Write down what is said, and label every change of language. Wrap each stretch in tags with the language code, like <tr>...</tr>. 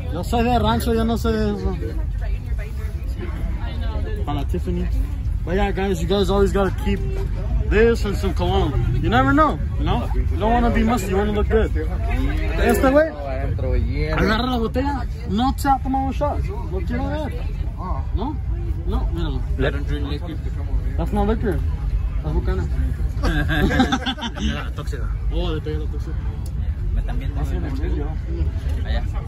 <es>Yo soy de rancho, yo no sé de eso. Para Tiffany.</es> <en>But yeah, guys, you guys always gotta keep this and some cologne. You never know, you know? You don't wanna be musty, you wanna look good.</en> <es>Este güey, agarra la botella, no te hace tomar un shot. Lo quiero ver. No? No, mira.</es> <en>Let him drink liquid. That's not liquor. That's bucana.</en> <es>Tóxica. Oh, le pegué la tóxica. Me están viendo. Allá.</es>